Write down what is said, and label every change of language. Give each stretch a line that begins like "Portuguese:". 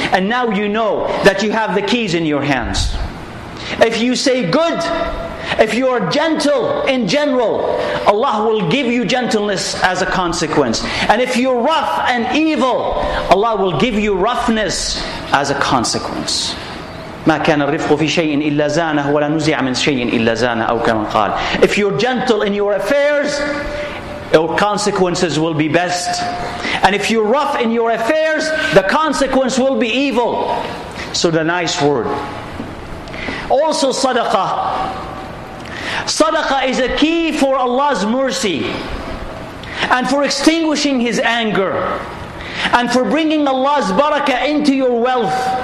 English: And now you know that you have the keys in your hands. If you say good, if you are gentle in general, Allah will give you gentleness as a consequence. And if you're rough and evil, Allah will give you roughness as a consequence.
Arabic: ما كان الرفق في شيء إلا زانه ولا نزع من شيء إلا زانه أو كما قال.
English: If you're gentle in your affairs, your consequences will be best. And if you're rough in your affairs, the consequence will be evil. So the nice word. Also sadaqah. Sadaqah is a key for Allah's mercy and for extinguishing His anger and for bringing Allah's barakah into your wealth.